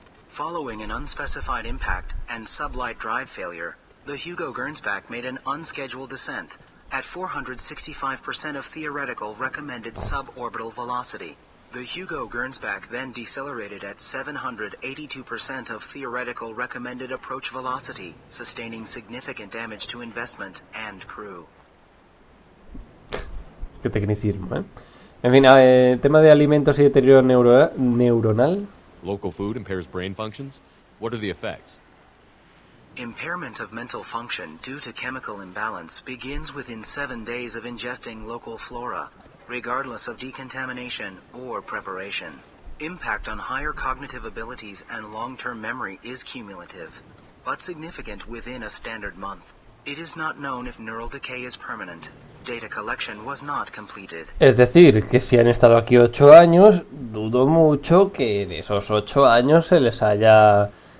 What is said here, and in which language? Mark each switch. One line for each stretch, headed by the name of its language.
English: Following an unspecified impact and sublight drive failure, the Hugo Gernsback made an unscheduled descent at 465% of theoretical recommended suborbital velocity. The Hugo Gernsback then decelerated at 782% of theoretical recommended approach velocity, sustaining significant damage to investment and crew.
Spanish: Qué tecnicismo, ¿eh? En fin, tema de alimentos y deterioro neuronal.
English: Local food impairs brain functions. What are the effects? Impairment of mental function due to chemical imbalance begins within 7 days of ingesting local flora, regardless of decontamination or preparation. Impact on higher cognitive abilities and long-term memory is cumulative, but significant within a standard month. It is not known if neural decay is permanent. Data collection was not completed.
Spanish: Es decir, que si han estado aquí 8 años, dudo mucho que de esos 8 años se les haya...